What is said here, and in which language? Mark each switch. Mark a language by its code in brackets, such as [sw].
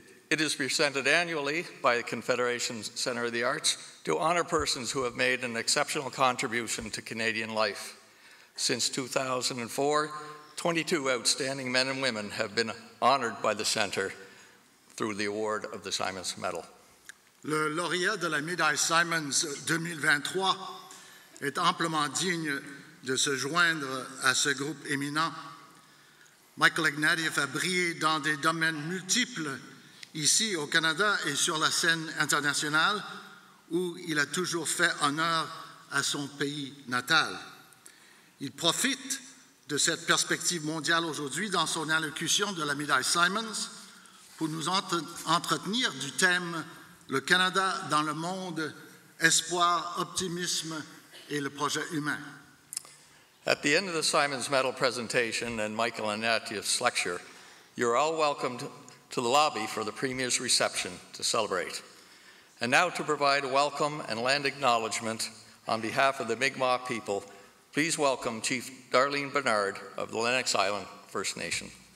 [en] It is presented annually by the Confederation Centre of the Arts to honor persons who have made an exceptional contribution to Canadian life. Since 2004, 22 outstanding men and women have been honored by the Centre through the award of the Symons Medal. [fr] Le lauréat de la médaille Symons 2023 est amplement digne de se joindre à ce groupe éminent. Michael Ignatieff a brillé dans des domaines multiples ici au Canada et sur la scène internationale où il a toujours fait honneur à son pays natal. Il profite de cette perspective mondiale aujourd'hui dans son allocution de la médaille Symons pour nous entretenir du thème Le Canada dans le monde, espoir, optimisme et le projet humain. [en] At the end of the Symons Medal presentation and Michael Ignatieff's lecture, you're all welcomed to the lobby for the Premier's reception to celebrate. And now to provide welcome and land acknowledgement on behalf of the Mi'kmaq people, please welcome Chief Darlene Bernard of the Lennox Island First Nation.